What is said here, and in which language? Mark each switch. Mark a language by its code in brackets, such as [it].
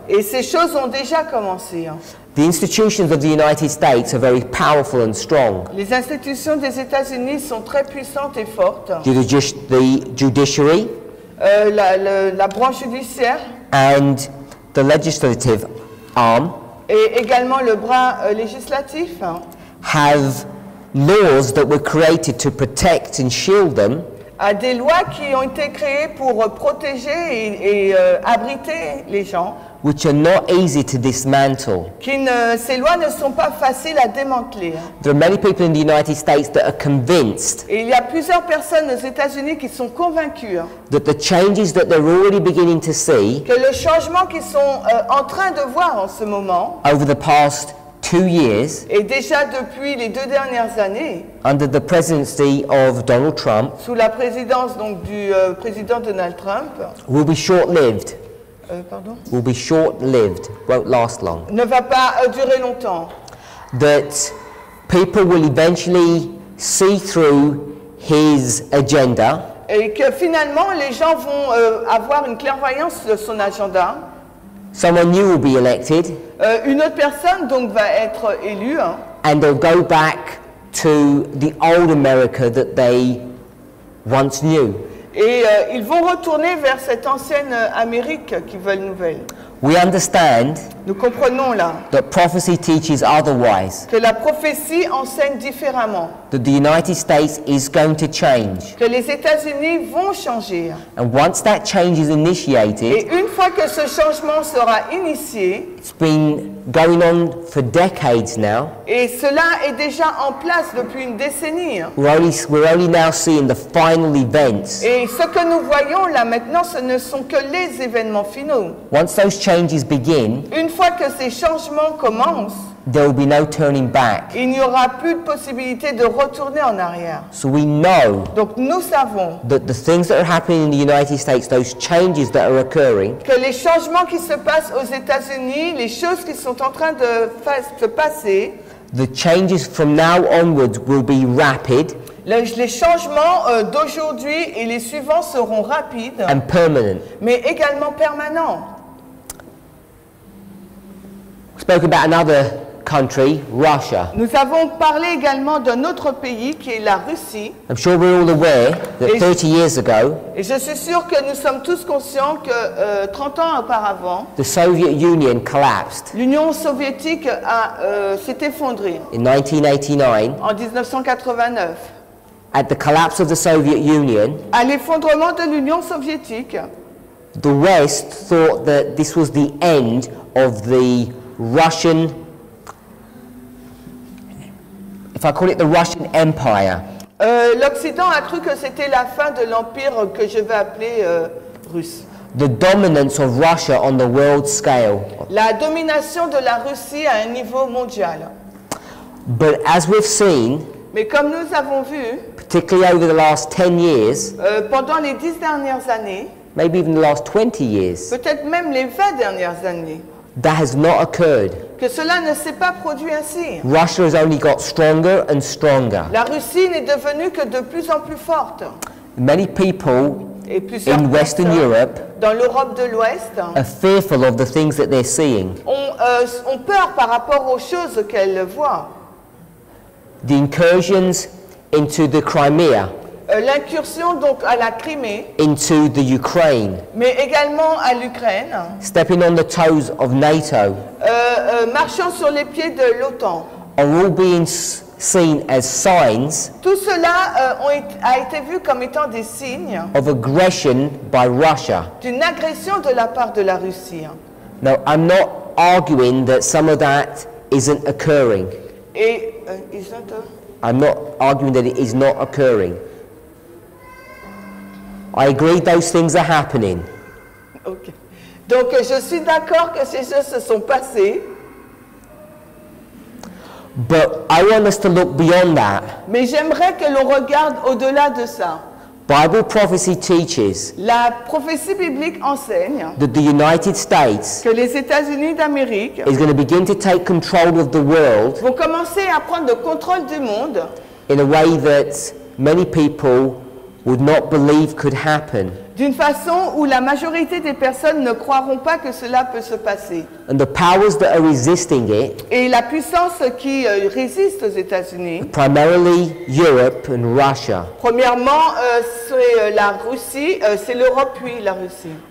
[fr] Et ces choses ont déjà commencé. [en] The institutions of the United States are very powerful and strong. [fr] Les institutions des États-Unis sont très puissantes et fortes. [en] The judiciary. [fr] La branche judiciaire. [en] And the legislative arm [fr] et également le bras législatif [en] have laws that were created to protect and shield them [fr] a des lois qui ont été créées pour protéger et abriter les gens [en] which are not easy to dismantle [fr] ces lois ne sont pas faciles à démanteler. [en] There are many people in the United States that are convinced [fr] et il y a plusieurs personnes aux États-Unis qui sont convaincues [en] that the changes that they're already beginning to see [fr] que le changement qu'ils sont en train de voir en ce moment [en] over the past 2 years, [fr] et déjà depuis les deux dernières années, [en] under the presidency of Donald Trump, [fr] sous la présidence donc du président Donald Trump, [en] will be short-lived. Will be short-lived. Won't last long. [fr] Ne va pas durer longtemps. [en] That people will eventually see through his agenda. [fr] Et que finalement les gens vont avoir une clairvoyance de son agenda. [en] Someone new will be elected. [fr] Une autre personne donc va être élue. [en] And they'll go back to the old America that they once knew. [fr] Et ils vont retourner vers cette ancienne Amérique qu'ils veulent nouvelle. [en] We understand. [fr] Nous comprenons là. [en] That prophecy teaches otherwise. [fr] Que la prophétie enseigne différemment. [en] That the United States is going to change. [fr] Que les États-Unis vont changer. [en] And once that change is initiated. [fr] Et une fois que ce changement sera initié. [en] It's been going on for decades now. [fr] Et cela est déjà en place depuis une décennie. [en] We're only now seeing the final events. [fr] Et ce que nous voyons là maintenant, ce ne sont que les événements finaux. [en] Once those changes begin. [fr] Une fois que ces changements commencent, [en] there will be no turning back. [fr] Il n'y aura plus de possibilité de retourner en arrière. [en] So we know. [fr] Donc nous savons. [en] That the things that are happening in the United States, those changes that are occurring. [fr] Que les changements qui se passent aux États-Unis, les choses qui sont en train de se passer. [en] The changes from now onwards will be rapid. [fr] Les changements d'aujourd'hui et les suivants seront rapides. [en] And permanent. [fr] Mais également permanents. [en] Spoke about another country, Russia. [fr] Nous avons parlé également d'un autre pays qui est la Russie. [en] I'm sure we're all aware that 30 years ago. [fr] Et je suis sûr que nous sommes tous conscients que 30 ans auparavant, [en] the Soviet Union collapsed. [fr] L'Union soviétique a s'est effondrée. [en] In 1989. [fr] En 1989. [en] At the collapse of the Soviet Union. [fr] À l'effondrement de l'Union soviétique. [en] The West thought that this was the end of the Russian, if I call it the Russian Empire. [fr] L'Occident a cru que c'était la fin de l'empire que je vais appeler russe. [en] The dominance of Russia on the world scale. [fr] La domination de la Russie à un niveau mondial. [en] But as we've seen, [fr] mais comme nous avons vu, [en] particularly over the last 10 years, [fr] pendant les 10 dernières années, [en] maybe even the last 20 years, [fr] peut-être même les 20 dernières années, [en] that has not occurred. [fr] Que cela ne s'est pas produit ainsi. [en] Russia has only got stronger and stronger. [fr] La Russie n'est devenue que de plus en plus forte. [en] Many people in Western Europe, [fr] dans l'Europe de l'Ouest, [en] are fearful of the things that they're seeing. [fr] Ont peur par rapport aux choses qu'elles voient. [en] The incursions into the Crimea. [fr] L'incursion donc à la Crimée, [en] into the Ukraine, [fr] mais également à l'Ukraine, [en] stepping on the toes of NATO, [fr] marchant sur les pieds de l'OTAN, [en] are all being seen as signs, [fr] tout cela a été vu comme étant des signes, [en] of aggression by Russia, [fr] d'une agression de la part de la Russie. [en] Now I'm not arguing that some of that isn't occurring. [fr] Et [en] I'm not arguing that it is not occurring. I agree those things are happening. Okay. [fr] Donc je suis d'accord que ces choses se sont passées. [en] But I want us to look beyond that. [fr] Mais j'aimerais que l'on regarde au-delà de ça. [en] Bible prophecy teaches. [fr] La prophétie biblique enseigne. [en] That the United States. [fr] Que les États-Unis d'Amérique. [en] Is going to begin to take control of the world. [fr] Vont commencer à prendre le contrôle du monde. [en] In a way that many people would not believe could happen. [fr] D'une façon où la majorité des personnes ne croiront pas que cela peut se passer. [en] And the powers that are resisting it. [fr] Et la puissance qui résiste aux États-Unis. [en] Primarily Europe and Russia. [fr] Premièrement, c'est la Russie, c'est l'Europe puis la Russie.